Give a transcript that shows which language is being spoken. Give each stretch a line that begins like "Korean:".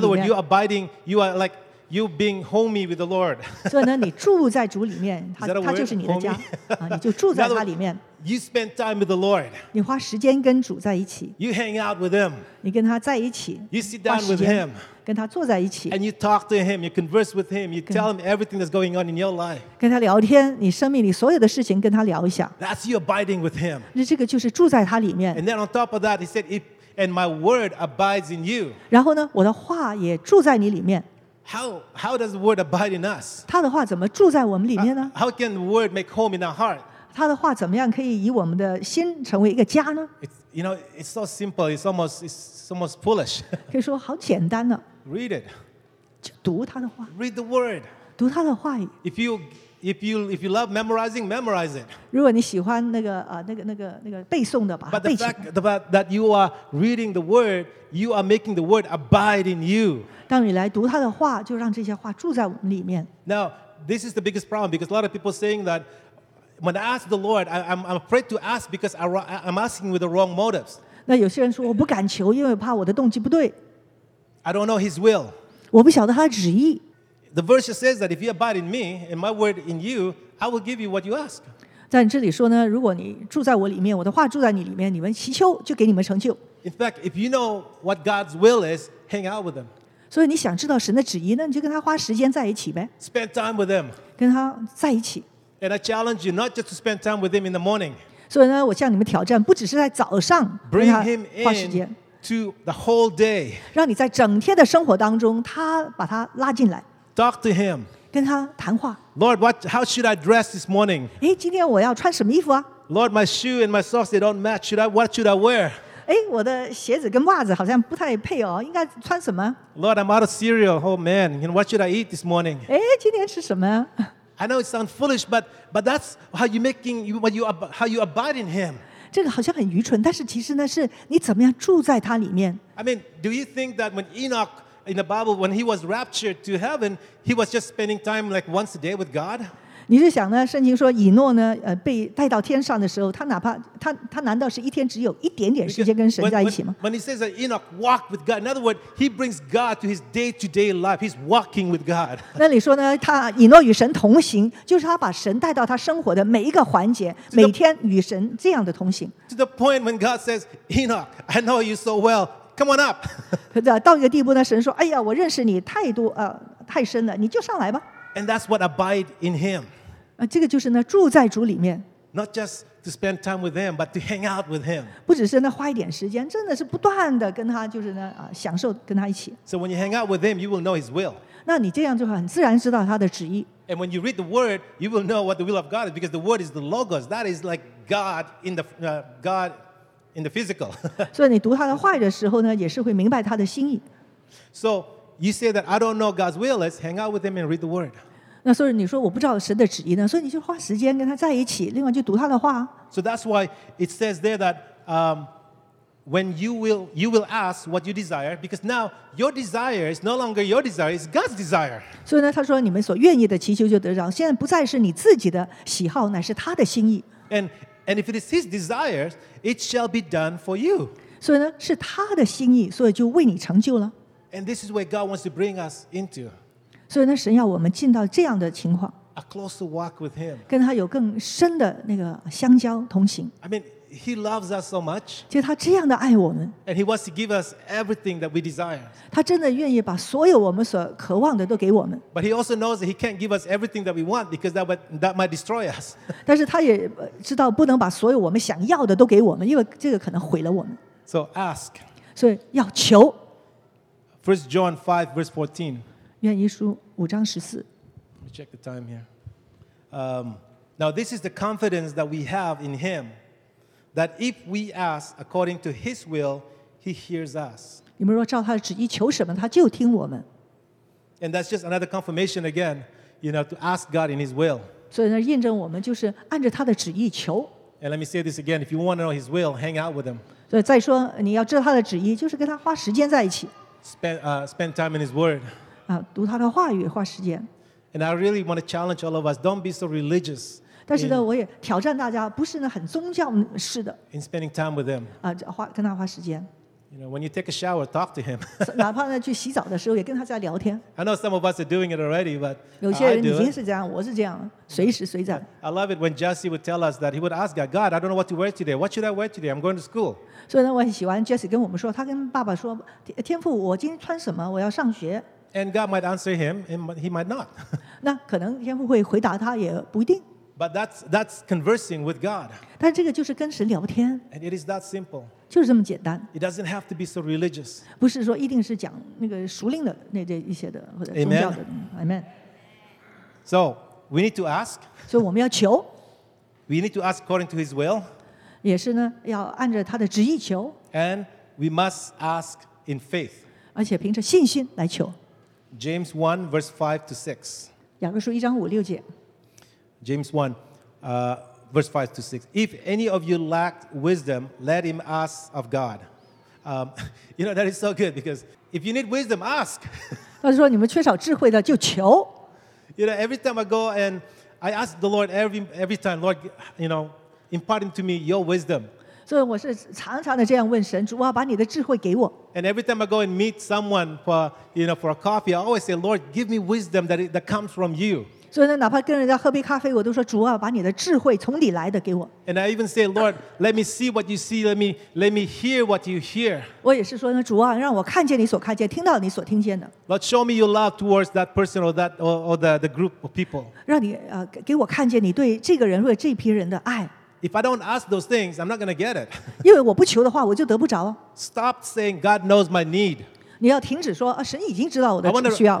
English: In other words, you abiding, you are like you being homey with the Lord.
Chinese: 所以呢，你住在主里面，他就是你的家啊，你就住在他里面。
English: You spend time with the Lord.
Chinese: 你花时间跟主在一起。
English: You hang out with him.
Chinese: 你跟他在一起。
English: You sit down with him.
Chinese: 跟他坐在一起。
English: And you talk to him. You converse with him. You tell him everything that's going on in your life.
Chinese: 跟他聊天，你生命里所有的事情跟他聊一下。
English: That's you abiding with him.
Chinese: 那这个就是住在他里面。
English: And then on top of that, he said, "If and my word abides in you."
Chinese: 然后呢，我的话也住在你里面。
English: How does the word abide in us?
Chinese: 他的话怎么住在我们里面呢？
English: How can the word make home in our heart?
Chinese: 他的话怎么样可以以我们的心成为一个家呢？
English: You know, it's so simple. It's almost foolish.
Chinese: 可以说好简单呢。
English: Read it.
Chinese: 就读他的话。
English: Read the word.
Chinese: 读他的话语。
English: If you love memorizing, memorize it.
Chinese: 如果你喜欢那个那个背诵的，把它背起来。
English: But the fact that you are reading the word, you are making the word abide in you.
Chinese: 当你来读他的话，就让这些话住在我们里面。
English: Now, this is the biggest problem because a lot of people saying that when I ask the Lord, I'm afraid to ask because I'm asking with the wrong motives.
Chinese: 那有些人说我不敢求，因为怕我的动机不对。
English: I don't know His will.
Chinese: 我不晓得他的旨意。
English: The verse just says that if you abide in me and my word in you, I will give you what you ask.
Chinese: 但这里说呢，如果你住在我里面，我的话住在你里面，你们祈求就给你们成就。
English: In fact, if you know what God's will is, hang out with Him.
Chinese: 所以你想知道神的旨意呢，你就跟他花时间在一起呗。
English: Spend time with Him.
Chinese: 跟他在一起。
English: And I challenge you not just to spend time with Him in the morning.
Chinese: 所以呢，我向你们挑战，不只是在早上跟他花时间。
English: Bring Him in to the whole day.
Chinese: 让你在整天的生活当中，他把他拉进来。
English: Talk to him.
Chinese: 跟他谈话。
English: Lord, what? How should I dress this morning?
Chinese: 哎，今天我要穿什么衣服啊
English: ？Lord, my shoe and my socks they don't match. What should I wear?
Chinese: 哎，我的鞋子跟袜子好像不太配哦，应该穿什么
English: ？Lord, I'm out of cereal. Oh man, and what should I eat this morning?
Chinese: 哎，今天吃什么
English: ？I know it sounds foolish, but that's how you making you what you how you abide in him.
Chinese: 这个好像很愚蠢，但是其实呢，是你怎么样住在他里面
English: ？I mean, do you think that when Enoch in the Bible, when he was raptured to heaven, he was just spending time like once a day with God.
Chinese: 你是想呢？圣经说以诺呢，被带到天上的时候，他哪怕他难道是一天只有一点点时间跟神在一起吗
English: when he says that Enoch walked with God, in other words, he brings God to his day-to-day life. He's walking with God.
Chinese: 那里说呢，他以诺与神同行，就是他把神带到他生活的每一个环节，每天与神这样的同行。
English: To the point when God says, Enoch, I know you so well. Come on up.
Chinese: 到一个地步呢，神说：“哎呀，我认识你太多，太深了，你就上来吧。”
English: And that's what abide in Him.
Chinese: 这个就是呢，住在主里面。
English: Not just to spend time with Him, but to hang out with Him.
Chinese: 不只是呢，花一点时间，真的是不断的跟他，就是呢，享受跟他一起。
English: So when you hang out with Him, you will know His will.
Chinese: 那你这样就很自然知道他的旨意。
English: And when you read the Word, you will know what the will of God is, because the Word is the Logos. That is like God in the God. In the physical.
Chinese: 所以你读他的话的时候呢，也是会明白他的心意。
English: So you say that I don't know God's will. Let's hang out with him and read the word.
Chinese: 那所以你说我不知道神的旨意呢，所以你就花时间跟他在一起，另外就读他的话。
English: So that's why it says there that when you will ask what you desire, because now your desire is no longer your desire; it's God's desire.
Chinese: 所以呢，他说你们所愿意的祈求就得着，现在不再是你自己的喜好，乃是他的心意。
English: And if it is His desires, it shall be done for you.
Chinese: 所以呢，是他的心意，所以就为你成就了。
English: And this is where God wants to bring us into.
Chinese: 所以呢，神要我们进到这样的情况。
English: A closer walk with Him.
Chinese: 跟他有更深的那个相交同行。
English: I mean, He loves us so much.
Chinese: 就他这样的爱我们。
English: And He wants to give us everything that we desire.
Chinese: 他真的愿意把所有我们所渴望的都给我们。
English: But He also knows that He can't give us everything that we want because that might destroy us.
Chinese: 但是他也知道不能把所有我们想要的都给我们，因为这个可能毁了我们。
English: So ask.
Chinese: 所以要求。
English: First John 5 verse 14.
Chinese: 愿一书五章十四。
English: Let me check the time here. Now this is the confidence that we have in Him. that if we ask according to His will, He hears us.
Chinese: 你们若照他的旨意求什么，他就听我们。
English: And that's just another confirmation again, you know, to ask God in His will.
Chinese: 所以呢，印证我们就是按着他的旨意求。
English: And let me say this again: if you want to know His will, hang out with Him.
Chinese: 所以再说，你要知道他的旨意，就是跟他花时间在一起。
English: Spend time in His Word.
Chinese: 啊，读他的话语，花时间。
English: And I really want to challenge all of us: don't be so religious.
Chinese: 但是呢，我也挑战大家，不是呢很宗教式的。
English: In spending time with Him.
Chinese: 啊，花跟他花时间。
English: You know, when you take a shower, talk to him.
Chinese: 哪怕呢去洗澡的时候，也跟他在聊天。
English: I know some of us are doing it already, but
Chinese: 有些人已经是这样，我是这样，随时随在。
English: I love it when Jesse would tell us that he would ask God, God, I don't know what to wear today. What should I wear today? I'm going to school.
Chinese: 所以呢，我很喜欢 Jesse 跟我们说，他跟爸爸说，天父，我今天穿什么？我要上学。
English: And God might answer him, and he might not.
Chinese: 那可能天父会回答他，也不一定。
English: But that's conversing with God.
Chinese: 但这个就是跟神聊天。
English: And it is that simple.
Chinese: 就是这么简单。
English: It doesn't have to be so religious.
Chinese: 不是说一定是讲那个熟龄的那这一些的或者宗教的。
English: Amen. Amen. So we need to ask.
Chinese: 所以我们要求。
English: We need to ask according to His will.
Chinese: 也是呢，要按着他的旨意求。
English: And we must ask in faith.
Chinese: 而且凭着信心来求。
English: James 1 verse 5 to 6.
Chinese: 雅各书一章五六节。
English: James 1. Verse 5 to 6. If any of you lack wisdom, let him ask of God. You know, that is so good because if you need wisdom, ask.
Chinese: 他说你们缺少智慧的就求。
English: You know, every time I go and I ask the Lord every time, Lord, you know, impart to me your wisdom.
Chinese: 所以我是常常的这样问神，主啊，把你的智慧给我。
English: And every time I go and meet someone for, you know, for a coffee, I always say, Lord, give me wisdom that comes from you.
Chinese: 所以呢，哪怕跟人家喝杯咖啡，我都说主啊，把你的智慧从你来的给我。
English: And I even say, Lord, let me see what you see, let me hear what you hear.
Chinese: 我也是说呢，主啊，让我看见你所看见，听到你所听见的。
English: Lord, show me your love towards that person or that or the group of people.
Chinese: 让你给我看见你对这个人或者这批人的爱。
English: If I don't ask those things, I'm not going to get it.
Chinese: 因为我不求的话，我就得不着。
English: Stop saying God knows my need.
Chinese: 你要停止说、啊、神已经知道我的需要。